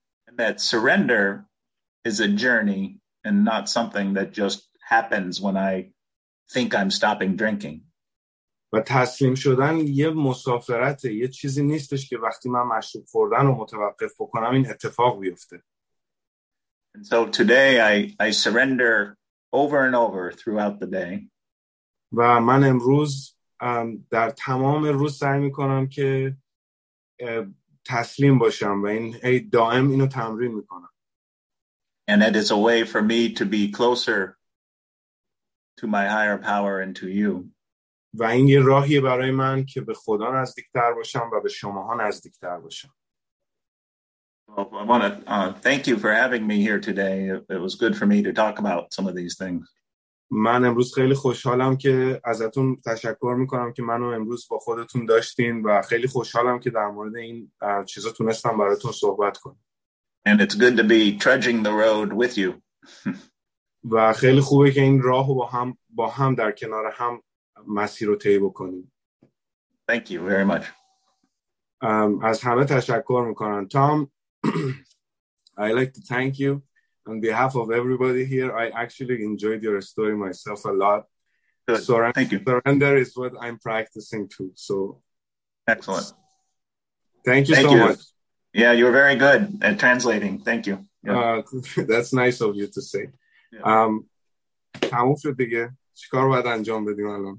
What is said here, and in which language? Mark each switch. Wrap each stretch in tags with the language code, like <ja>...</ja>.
<en>And that surrender is a journey and not something that just happens when I think I'm stopping drinking.</en> <fa>و تسلیم شدن یه مسافرته، یه چیزی نیستش که وقتی من مشروب خوردن رو متوقف بکنم این اتفاق بیفته.</fa> <en>And so today I surrender over and over throughout the day.</en> <fa>و من امروز در تمام روز سعی میکنم که تسلیم باشم و این دائم اینو تمرین میکنم.</fa> <en>And it is a way for me to be closer to my higher power and to you.</en> <fa>و این یه راهیه برای من که به خدا نزدیکتر باشم و به شماها نزدیکتر باشم.</fa> <en>I want to thank you for having me here today. It was good for me to talk about some of these things.</en> <fa>من امروز خیلی خوشحالم که ازتون تشکر میکنم که منو امروز با خودتون داشتین و خیلی خوشحالم که در مورد این چیزا تونستم براتون صحبت کنم.</fa> <en>And it's good to be trudging the road with you.</en> <fa>و خیلی خوبه که این راهو با هم در کنار هم مسیر رو طی بکنیم.</fa> <en>Thank you very much.</en> <fa>از همه تشکر میکنم.</fa> <en>Tom, I like to thank you on behalf of everybody here. I actually enjoyed your story myself a lot. Good. Surrender, thank you. Surrender is what I'm practicing too. So excellent. Thank you so much. Yeah, you're very good at translating. Thank you. Yeah. That's nice of you to say. Yeah.</en> <fa>تموم شد دیگه. چیکار باید انجام بدیم الان؟</fa>